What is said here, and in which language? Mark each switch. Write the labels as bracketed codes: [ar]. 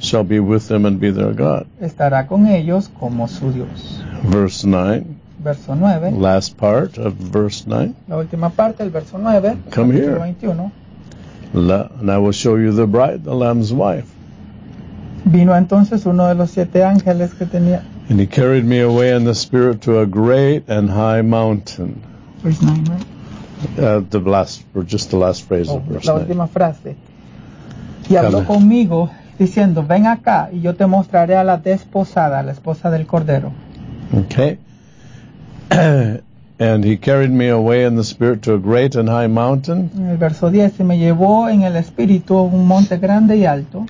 [en] shall be with them and be their God. [es] Estará con ellos como su Dios. [en] Verse 9. [es] Verso 9. [en] Last part of verse 9. [es] La última parte, el verso 9. [en] Come here. 21. And I will show you the bride, the Lamb's wife. [es] Vino entonces uno de los siete ángeles que tenía. [en] And he carried me away in the spirit to a great and high mountain. Verse 9, right? The last phrase of verse 9. [es] La última frase. Y habló conmigo, diciendo, Ven acá, y yo te mostraré a la desposada, la esposa del Cordero. [en] Okay. And he carried me away in the spirit to a great and high mountain. [es] En el verso 10, y me llevó en el espíritu a un monte grande y alto.